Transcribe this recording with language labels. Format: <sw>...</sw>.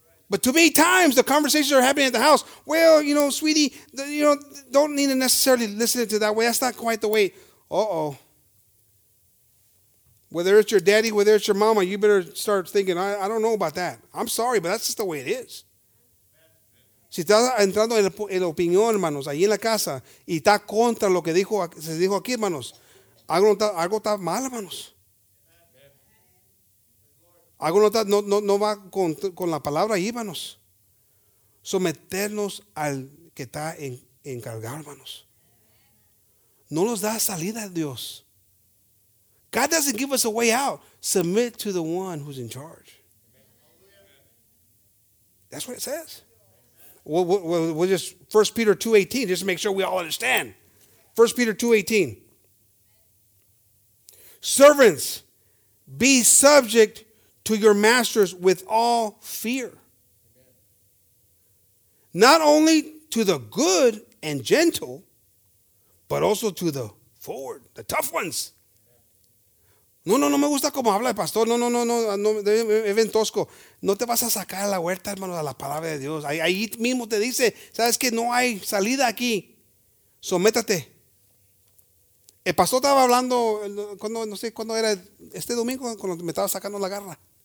<en>But too many times the conversations are happening at the house. Well, you know, sweetie, you know, don't need to necessarily listen to that way. That's not quite the way. Uh-oh. Whether it's your daddy, whether it's your mama, you better start thinking, I don't know about that. I'm sorry, but that's just the way it is.</en> <es>Si estás entrando en la opinión, hermanos, ahí en la casa, y está contra lo que se dijo aquí, hermanos, algo está mal, hermanos. Algo no va con la palabra ahí, hermanos. Someternos al que está encargado, hermanos. No nos da salida a Dios.</es> <en>God doesn't give us a way out. Submit to the one who's in charge. That's what it says. We'll just 1 Peter 2:18, just to make sure we all understand. 1 Peter 2:18. Servants, Be subject to your masters with all fear. Not only to the good and gentle, but also to the forward, the tough ones.</en> <es>No, no, no me gusta como habla el pastor. No, no, no, no, no, es ventosco. No te vas a sacar a la huerta, hermano, de la palabra de Dios. Ahí mismo te dice, sabes que no hay salida aquí. Sométate. El pastor estaba hablando, cuando, no sé cuándo era, este domingo, cuando me estaba sacando la garra.</es>